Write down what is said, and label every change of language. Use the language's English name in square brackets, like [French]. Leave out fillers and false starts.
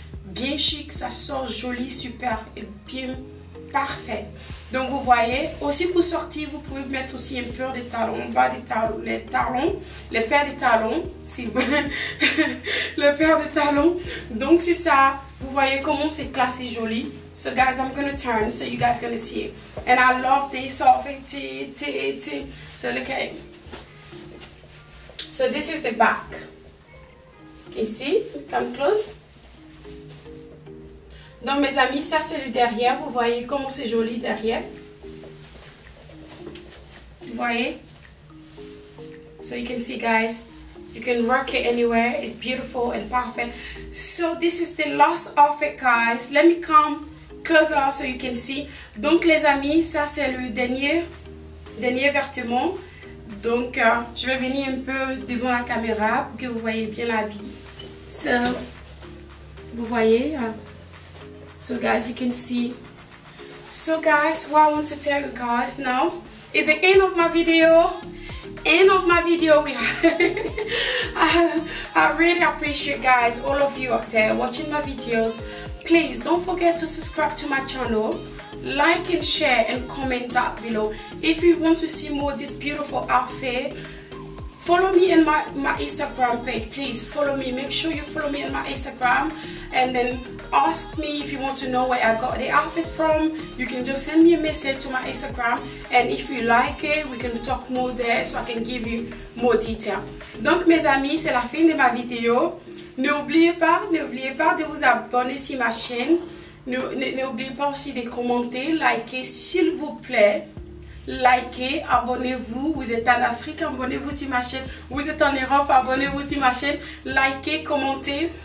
[French] Bien chic, ça sort joli, super et bien parfait. Donc, vous voyez, aussi pour sortir, vous pouvez mettre aussi un peu de talons en bas, les paires de talons. Donc, c'est ça. Vous voyez comment c'est classé joli. [English] So guys, I'm gonna turn so you guys gonna see it. And I love this outfit. So look at it. So this is the back. Can you see? Come close. [French] Donc mes amis, ça c'est le derrière. Vous voyez comment c'est joli derrière. Vous voyez? [English] So you can see guys. You can rock it anywhere. It's beautiful and perfect. So this is the last outfit, guys. Let me come closer so you can see. [French] Donc les amis, ça c'est le dernier vêtement. Donc je vais venir un peu devant la caméra pour que vous voyez bien l'habit. [English] So [French] vous voyez. [English] So guys, you can see. So guys, what I want to tell you guys now is the end of my video. End of my video. I really appreciate guys, all of you out there watching my videos. Please don't forget to subscribe to my channel, like and share and comment down below. If you want to see more of this beautiful outfit, follow me in my Instagram page. Please follow me. Make sure you follow me on my Instagram and then ask me if you want to know where I got the outfit from. You can just send me a message to my Instagram, and if you like it, we can talk more there so I can give you more detail. [French] Donc mes amis, c'est la fin de ma vidéo. N'oubliez pas de vous abonner sur ma chaîne. N'oubliez pas aussi de commenter, liker, s'il vous plaît. Likez, abonnez-vous. Vous êtes en Afrique, abonnez-vous sur ma chaîne. Vous êtes en Europe, abonnez-vous sur ma chaîne. Likez, commentez.